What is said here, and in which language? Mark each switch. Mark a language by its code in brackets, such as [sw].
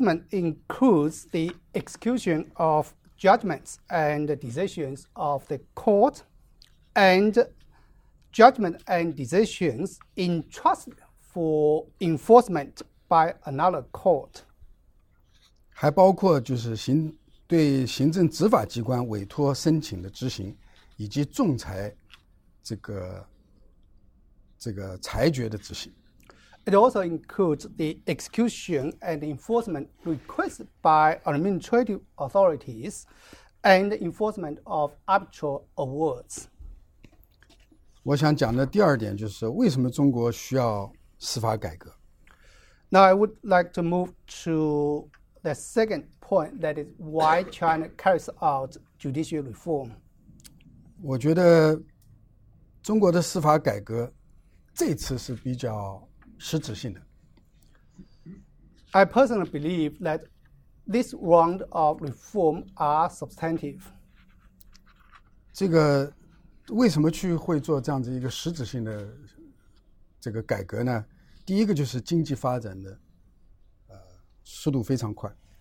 [en] includes the execution of judgments and decisions of the court, and judgment and decisions entrusted for enforcement by another court. [zh] 还包括就是对行政执法机关委托申请的执行，以及仲裁这个裁决的执行。 [en] It also includes the execution and enforcement requests by administrative authorities, and enforcement of arbitral awards. [zh] 我想讲的第二点就是为什么中国需要司法改革。 [en] Now I would like to move to the second point, that is why China carries out judicial reform. [zh] 我觉得中国的司法改革这次是比较实质性的。 [en] I personally believe that this round of reform are substantive. [zh] 这个为什么去会做这样子一个实质性的这个改革呢？第一个就是经济发展的速度非常快。